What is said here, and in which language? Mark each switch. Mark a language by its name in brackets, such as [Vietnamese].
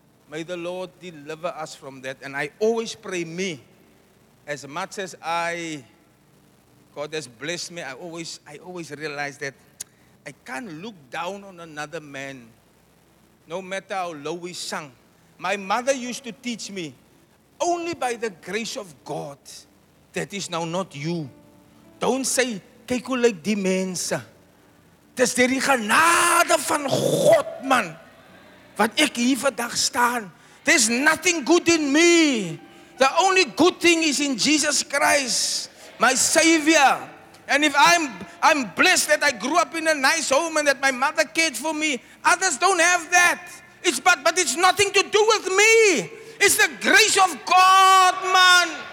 [English] May the Lord deliver us from that. And I always pray me, as much as God has blessed me, I always realize that I can't look down on another man, no matter how low we sung. My mother used to teach me, only by the grace of God, that is now not you. Don't say, [Afrikaans] kyk hoe lyk die mense. Dis deur die genade van God, man, wat ek hier vandag staan. [English] There's nothing good in me. The only good thing is in Jesus Christ, my Savior. And if I'm blessed that I grew up in a nice home and that my mother cared for me, others don't have that. But it's nothing to do with me. It's the grace of God, man.